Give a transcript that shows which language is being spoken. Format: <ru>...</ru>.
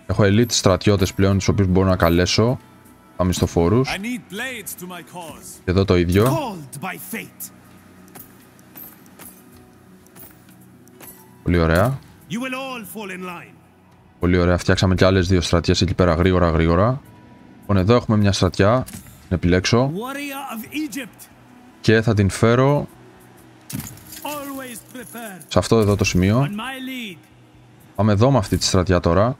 <el>Έχω elite στρατιώτες πλέον, τους οποίους μπορώ να καλέσω. Τα μισθοφόρους.</el> <en>I need blades to my cause.</en> <el>Και εδώ το ίδιο.</el> <en>Called by fate.</en> <el>Πολύ ωραία.</el> <en>You will all fall in line.</en> <el>Πολύ ωραία, φτιάξαμε και άλλες δύο στρατιές εκεί πέρα, γρήγορα, γρήγορα. Λοιπόν, εδώ έχουμε μια στρατιά, την επιλέξω.</el> <en>Warrior of Egypt.</en> <el>Και θα την φέρω...</el> <en>Always prepared.</en> <el>Σε αυτό εδώ το σημείο.</el> <en>On my lead.</en> <el>Πάμε εδώ με αυτή τη στρατιά τώρα.</el>